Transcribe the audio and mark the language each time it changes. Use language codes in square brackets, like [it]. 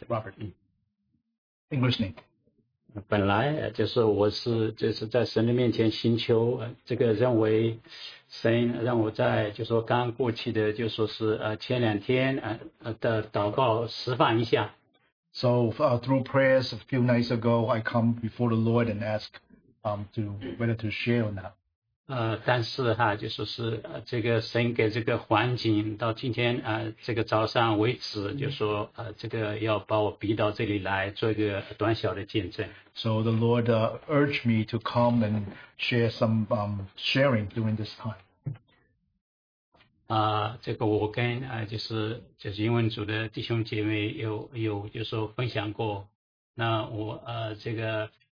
[en] Robert. English name. [zh] 本来就是我是在神的面前寻求，这个认为神让我在就说刚过去的就说是前两天的祷告释放一下。 [en] So through prayers a few nights ago, I come before the Lord and ask to whether to share or not. [zh] 但是哈，就是这个神给这个环境到今天这个早上为止，就说这个要把我逼到这里来做一个短小的见证。 [en] So the Lord urged me to come and share some sharing during this time. [zh] 这个我跟英文组的弟兄姐妹有就说分享过，那我这个。